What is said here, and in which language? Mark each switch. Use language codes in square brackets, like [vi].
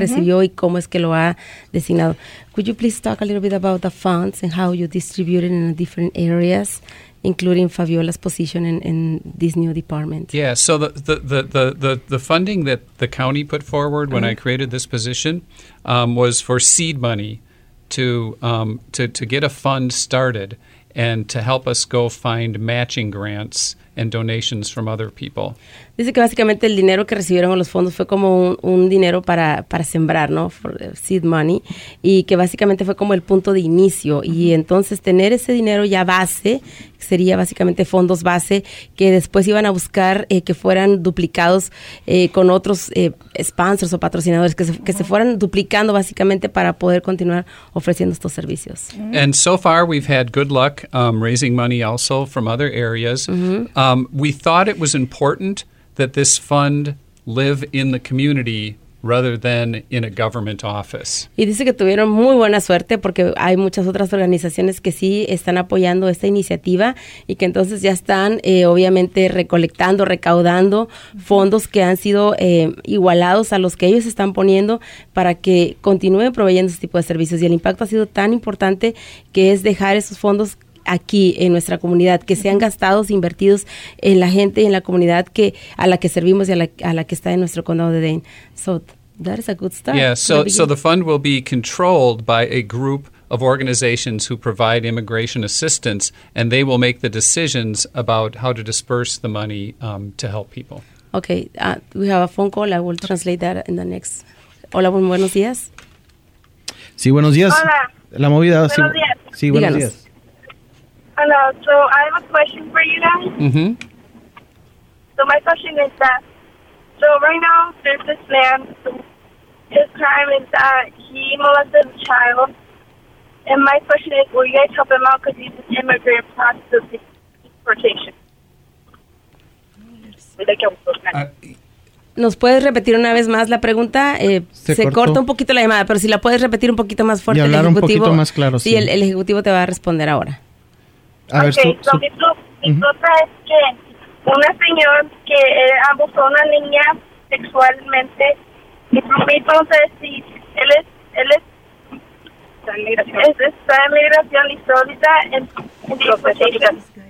[es] recibió y cómo es que lo ha designado. [en] Could you please talk a little bit about the funds and how you distribute it in different areas, including Fabiola's position in this new department? Yeah, so the funding that the county put forward uh-huh. when I created this position was for seed money to get a fund started and to help us go find matching grants and donations from other people. [es] Dice que básicamente el dinero que recibieron los fondos fue como un dinero para sembrar, ¿no? [en] For seed money. [es] Y que básicamente fue como el punto de inicio. Y entonces tener ese dinero ya base, sería básicamente fondos base, que después iban a buscar que fueran duplicados con otros sponsors o patrocinadores, que se fueran duplicando básicamente para poder continuar ofreciendo estos servicios. [en] And so far we've had good luck raising money also from other areas. Mm-hmm. We thought it was important that this fund live in the community rather than in a government office. [es] Y dice que tuvieron muy buena suerte porque hay muchas otras organizaciones que sí están apoyando esta iniciativa y que entonces ya están obviamente recolectando, recaudando fondos que han sido igualados a los que ellos están poniendo para que continúen proveyendo este tipo de servicios. Y el impacto ha sido tan importante que es dejar esos fondos aquí en nuestra comunidad, que sean gastados, invertidos en la gente y en la comunidad que a la que servimos y a la que está en nuestro condado de Dane. [en] So that is a good start. Yeah, so the fund will be controlled by a group of organizations who provide immigration assistance, and they will make the decisions about how to disperse the money to help people. Okay, we have a phone call. I will translate that in the next. [es] Hola, buenos días. Sí, buenos días. Hola. La movida. Buenos días. Sí, buenos Díganos. Días. [en] Hello, so I have a question for you guys. Mm-hmm. So my question is that, so right now there's this man, his crime is that he molested a child. And my question is, will you guys help him out because he's an immigrant process of deportation? [es] ¿Nos puedes repetir una vez más la pregunta? Se corta un poquito la llamada, pero si la puedes repetir un poquito más fuerte, y hablar el ejecutivo, un poquito más claro, sí. Y el ejecutivo te va a responder ahora. A ver, mi pregunta es que una señora que abusó a una niña sexualmente, él está en migración y solita en deportación.